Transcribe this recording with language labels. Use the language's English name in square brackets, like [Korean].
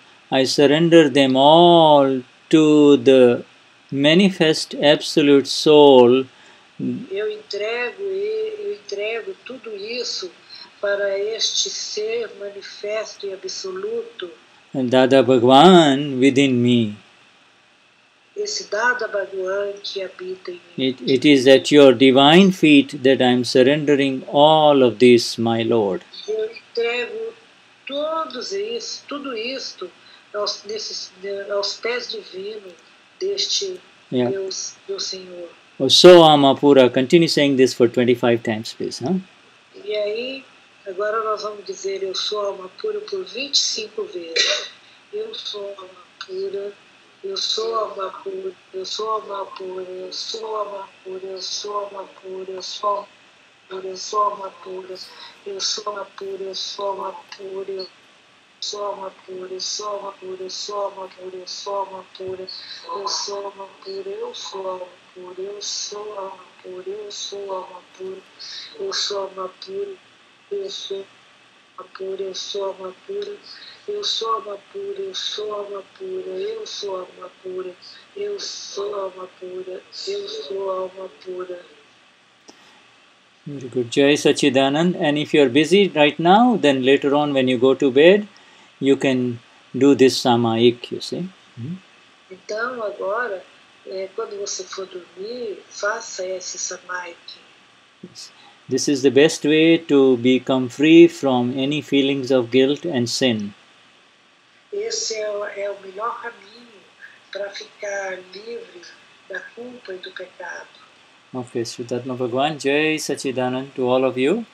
[English] I surrender them all to the manifest absolute soul. [Portuguese] Eu entrego tudo isso para este ser manifesto e absoluto, [English] Dada Bhagwan within me. [Portuguese] Esse Dada Bhagwan que habita em mim. [English] It is at your divine feet that I am surrendering all of this, my Lord. [Portuguese] Eu entrego tudo isto aos pés divinos deste meu Senhor. [English] So Amapura, continue saying this for 25 times, please. [Portuguese] E aí, agora nós vamos dizer, eu sou alma pura por 25 vezes. Eu sou alma pura, eu sou alma pura, eu sou alma pura, eu sou alma pura, eu sou alma pura, eu sou alma pura, eu sou alma pura, eu sou alma pura, eu sou alma pura, eu sou alma pura, eu sou alma pura, eu sou alma pura, eu sou alma pura, eu sou alma pura, eu sou alma pura, eu sou alma pura, eu sou alma pura, eu sou alma pura. Eu sou alma pura, eu sou alma pura, eu sou alma pura, eu sou alma pura, eu sou alma pura, eu sou alma pura, eu sou alma pura. [English] Very good. Jai Satchidanand. And if you are busy right now, then later on when you go to bed, you can do this samayik, you see. [Portuguese] Então agora, quando você for dormir, faça esse samayik. [English] This is the best way to become free from any feelings of guilt and sin. [Portuguese] Esse é o melhor caminho para ficar livre da culpa e do pecado. [English] Okay, Shuddha Bhagwan, Jai Satchidanand to all of you.